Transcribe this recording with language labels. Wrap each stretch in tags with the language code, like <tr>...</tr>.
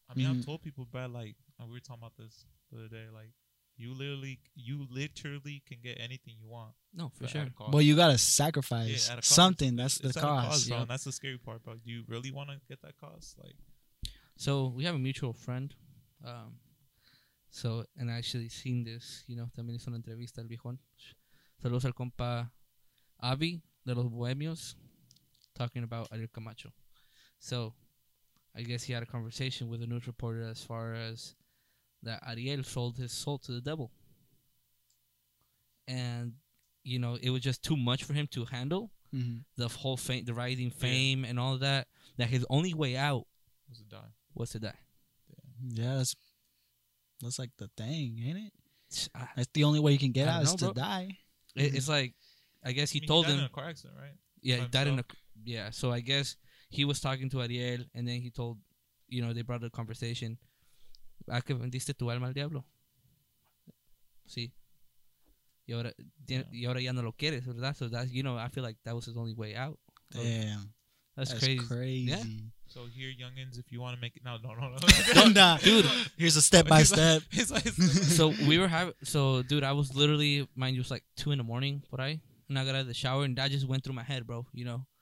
<en>I mean, I've told people, but like, and we were talking about this the other day, like, you literally can get anything you want. No, for sure. But you got to sacrifice something. That's the cost, bro. And that's the scary part, bro. Do you really want to get that cost? Like, so, we have a mutual friend. And I actually seen this, you know, también hizo una entrevista al viejón.</en> <es>Saludos al compa Avi de los Bohemios, talking about Ariel Camacho.</es> <en>So, I guess he had a conversation with a news reporter as far as that Ariel sold his soul to the devil. And, you know, it was just too much for him to handle. Mm-hmm. The whole fame, the rising fame and all that. That his only way out was to die. Yeah, that's like the thing, ain't it? That's the only way you can get out is to die. It's like, I guess he told him. He died in a car accident, right? Yeah, so I guess. He was talking to Ariel, and then he told, you know, they brought a conversation.</en> <es>¿A que vendiste tu alma al diablo? Sí. Y ahora ya no lo quieres, ¿verdad?</es> <en>So that's, you know, I feel like that was his only way out. Damn. That's crazy. Yeah? So here, youngins, if you want to make it. No. Dude, here's a step-by-step. I was literally, mind you, it was like 2 in the morning, por ahí. And I got out of the shower, and that just went through my head, bro, you know?</en>